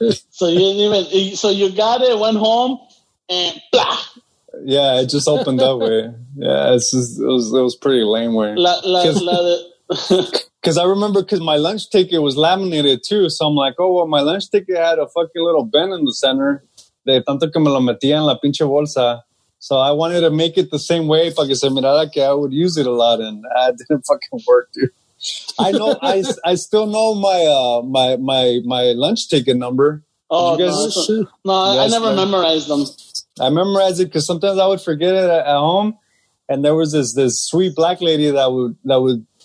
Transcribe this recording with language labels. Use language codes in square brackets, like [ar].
[en] So you got it, went home, and blah. Yeah, it just opened that way. Yeah, it was pretty lame, way. Because I remember, because my lunch ticket was laminated, too. So I'm like, oh, well, my lunch ticket had a fucking little bend in the center. [es] De tanto que me lo metía en la pinche bolsa. [en] So I wanted to make it the same way, fucking [es] se mirara que [en] I would use it a lot, and it didn't fucking work, dude. I know, I still know my lunch ticket number. Oh, you guys, I never memorized them. I memorized it because sometimes I would forget it at home, and there was this sweet black lady that would